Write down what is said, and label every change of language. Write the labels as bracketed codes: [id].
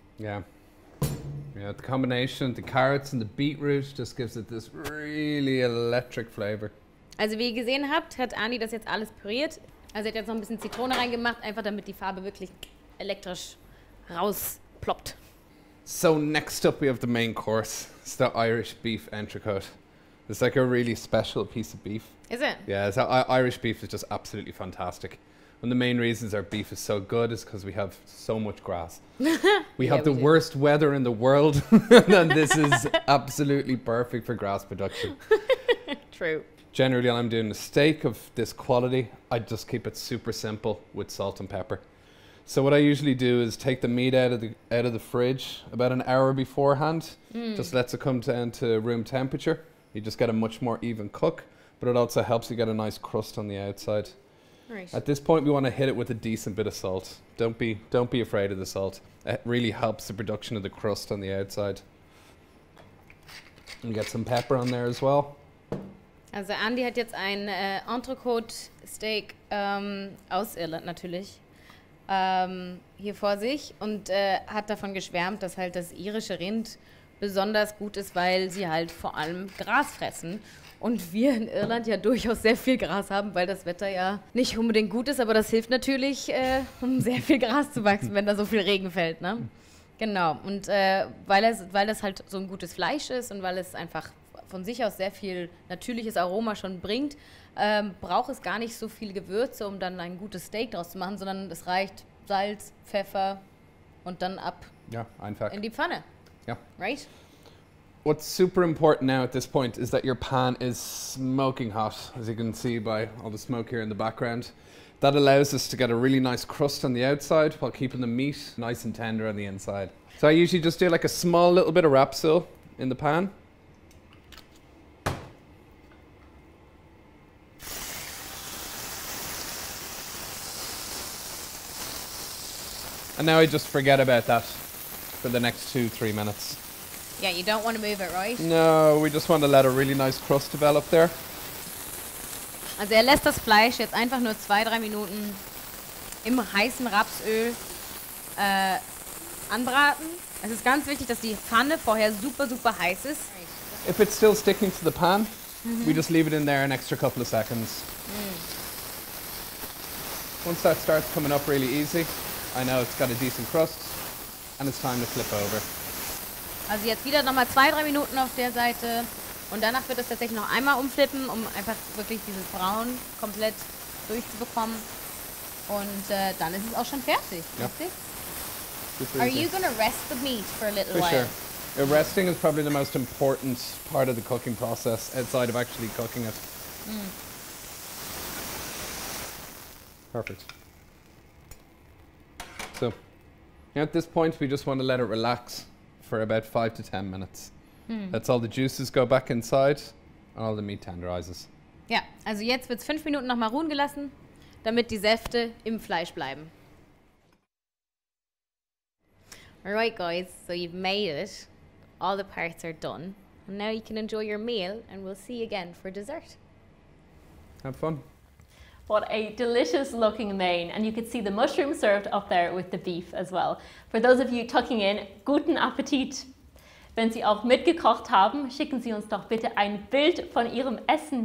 [en] Yeah, the combination of the carrots and the beetroot just gives it this really electric flavor. [de] Also wie ihr gesehen habt, hat Andy das jetzt alles püriert. Also er hat jetzt noch ein bisschen Zitrone reingemacht, einfach damit die Farbe wirklich elektrisch rausploppt. [en] So next up we have the main course. It's the Irish beef entrecote. It's like a really special piece of beef. Is it? Yeah, so Irish beef is just absolutely fantastic. And the main reasons our beef is so good is because we have so much grass. We have the worst weather in the world, and this is absolutely perfect for grass production. True. generally I'm doing a steak of this quality, I just keep it super simple with salt and pepper. So what I usually do is take the meat out of the fridge about an hour beforehand. Mm. Just lets it come down to room temperature. You just get a much more even cook, but it also helps you get a nice crust on the outside. Right. At this point, we want to hit it with a decent bit of salt. Don't be afraid of the salt. It really helps the production of the crust on the outside. And get some pepper on there as well. [de] Also Andy hat jetzt ein Entrecote Steak aus Irland natürlich hier vor sich und hat davon geschwärmt, dass halt das irische Rind besonders gut ist, weil sie halt vor allem Gras fressen. Und wir in Irland ja durchaus sehr viel Gras haben, weil das Wetter ja nicht unbedingt gut ist, aber das hilft natürlich, um sehr viel Gras zu wachsen, wenn da so viel Regen fällt, ne? Genau, und weil das halt so ein gutes Fleisch ist und weil es einfach von sich aus sehr viel natürliches Aroma schon bringt, braucht es gar nicht so viel Gewürze, um dann ein gutes Steak draus zu machen, sondern es reicht Salz, Pfeffer und dann ab in die Pfanne. Ja. [en] Right? What's super important now at this point is that your pan is smoking hot, as you can see by all the smoke here in the background. That allows us to get a really nice crust on the outside while keeping the meat nice and tender on the inside. So I usually just do like a small little bit of rapsil in the pan. And now I just forget about that for the next 2-3 minutes. Yeah, you don't want to move it, right? No, we just want to let a really nice crust develop there. [de] Also lässt das Fleisch jetzt einfach nur 2-3 Minuten im heißen Rapsöl anbraten. Es ist ganz wichtig, dass die Pfanne vorher super, super heiß ist. [en] If it's still sticking to the pan, we just leave it in there an extra couple of seconds. Mm. Once that starts coming up really easy, I know it's got a decent crust and it's time to flip over. [de] Also jetzt wieder nochmal 2-3 Minuten auf der Seite. Und danach wird es tatsächlich noch einmal umflippen, um einfach wirklich dieses Braun komplett durchzubekommen. Und dann ist es auch schon fertig. [en] Yeah. Are you going to rest the meat for a little for while? Sure. Yeah, resting is probably the most important part of the cooking process outside of actually cooking it. Mm. Perfect. So, at this point we just want to let it relax for about 5 to 10 minutes. That's all the juices go back inside and all the meat tenderizes. [de] Ja, also jetzt wird's 5 Minuten nochmal ruhen gelassen, damit die Säfte im Fleisch bleiben. [en] Alright guys, so you've made it. All the parts are done. And now you can enjoy your meal and we'll see you again for dessert. Have fun. What a delicious looking main. And you can see the mushroom served up there with the beef as well. For those of you tucking in, [de] guten Appetit. Wenn Sie auch mitgekocht haben, schicken Sie uns doch bitte ein Bild von Ihrem Essen.